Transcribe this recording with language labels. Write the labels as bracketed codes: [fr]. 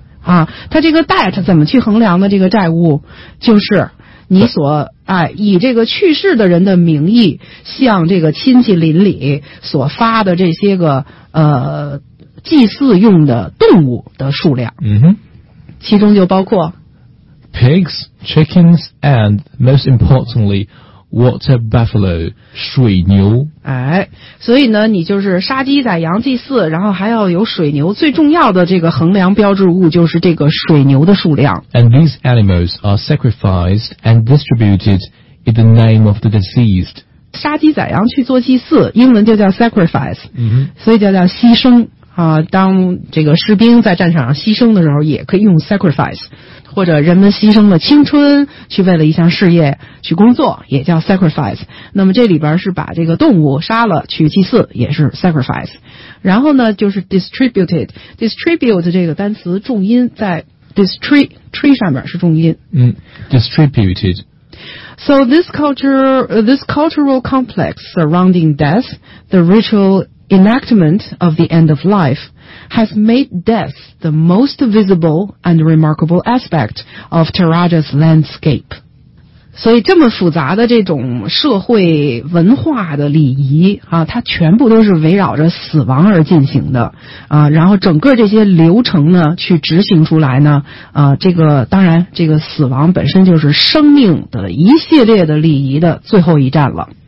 [zh] 啊，他这个 debt 怎么去衡量的这个债务？就是你所哎，以这个去世的人的名义向这个亲戚邻里所发的这些个祭祀用的动物的数量，嗯哼，其中就包括 [en] pigs, chickens, and most importantly, water buffalo [zh] 水牛。哎，所以呢，你就是杀鸡宰羊祭祀，然后还要有水牛，最重要的这个衡量标志物就是这个水牛的数量。 [en] And these animals are sacrificed and distributed in the name of the deceased。 [zh] 杀鸡宰羊去做祭祀，英文就叫 sacrifice，所以就叫牺牲。啊，当这个士兵在战场上牺牲的时候，也可以用 sacrifice， 或者人们牺牲了青春去为了一项事业去工作，也叫 sacrifice。那么这里边是把这个动物杀了去祭祀，也是 sacrifice。然后呢，就是 distributed 这个单词重音在 tree 上面是重音。 [en] Distributed。 So this cultural complex surrounding death, the ritual. Enactment of the end of life has made death the most visible and remarkable aspect of Taraja's landscape. [zh] 所以这么复杂的这种社会文化的礼仪啊，它全部都是围绕着死亡而进行的啊，然后整个这些流程呢去执行出来呢啊，这个当然这个死亡本身就是生命的一系列的礼仪的最后一站了。